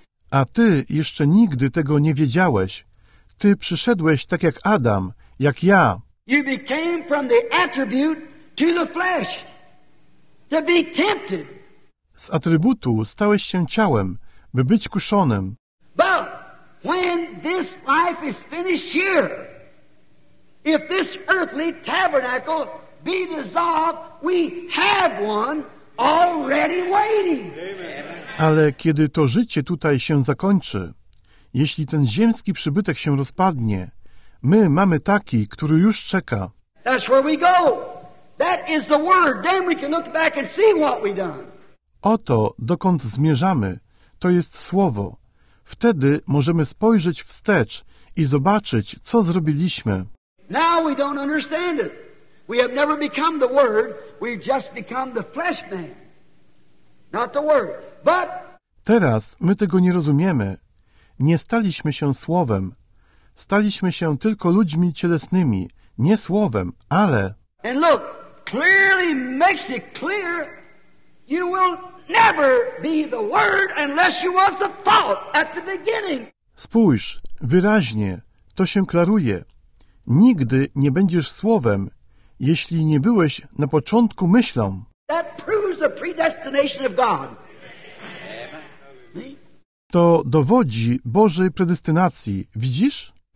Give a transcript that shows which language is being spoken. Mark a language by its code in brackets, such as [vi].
[pl] A ty jeszcze nigdy tego nie wiedziałeś. Ty przyszedłeś tak jak Adam, jak ja. [en] You became from the attribute to the flesh, to be tempted. [pl] Z atrybutu stałeś się ciałem, by być kuszonym. [en] But when this life is finished here, if this earthly tabernacle be dissolved, we have one already waiting. [pl] Ale kiedy to życie tutaj się zakończy, jeśli ten ziemski przybytek się rozpadnie, my mamy taki, który już czeka. [en] That's where we go. That is the word. Then we can look back and see what we've done. [pl] Oto, dokąd zmierzamy, to jest słowo. Wtedy możemy spojrzeć wstecz i zobaczyć, co zrobiliśmy. [en] Now we don't understand it. We have never become the word, we've just become the flesh man. Not the word. But [pl] teraz my tego nie rozumiemy. Nie staliśmy się słowem. Staliśmy się tylko ludźmi cielesnymi, nie słowem, ale [en] And look, clearly makes it clear you will never be the word unless you was the thought at the beginning. [pl] Spójrz, wyraźnie to się klaruje. Nigdy nie będziesz słowem, jeśli nie byłeś na początku myślą. [en] That proves the predestination of God. [pl] To dowodzi Bożej predestynacji, widzisz?